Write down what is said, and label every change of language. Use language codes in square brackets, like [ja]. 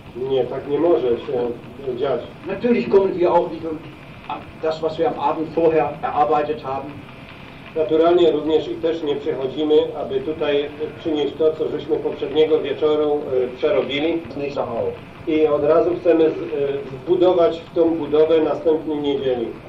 [pl] Nie, tak nie może się dziać. [de] Natürlich kommen wir auch nicht um das, was wir am Abend vorher erarbeitet haben. [pl] Naturalnie również i też nie przychodzimy, aby tutaj przynieść to, co żeśmy poprzedniego wieczoru przerobili. I od razu chcemy zbudować w tą budowę następnej niedzieli.